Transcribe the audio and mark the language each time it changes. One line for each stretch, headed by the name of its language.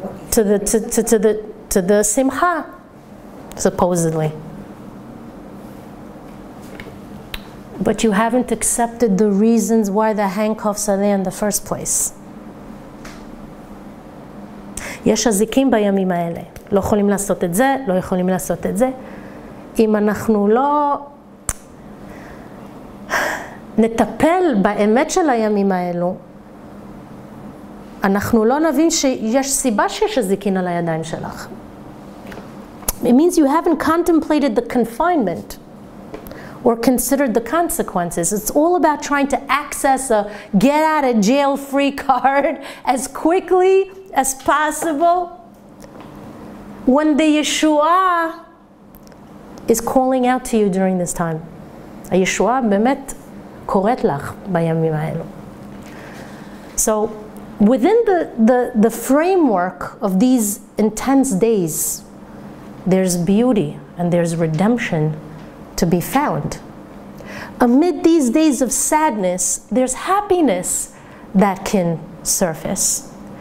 English: To the simcha, supposedly. But you haven't accepted the reasons why the handcuffs are there in the first place.
Hebrew: יש אזיקים בימים האלה. לא יכולים לעשות את זה, לא יכולים לעשות את זה. אם אנחנו לא נטפל באמת של הימים האלו, אנחנו לא נבין שיש סיבה שיש אזיקים על הידיים שלך.
English: It means you haven't contemplated the confinement or considered the consequences. It's all about trying to access a get out of jail free card as quickly as possible when the Yeshua is calling out to you during this time.
Hebrew: Yeshua באמת קוראת לך בימים האלו.
English: So within the framework of these intense days, there's beauty and there's redemption to be found. Amid these days of sadness, there's happiness that can surface.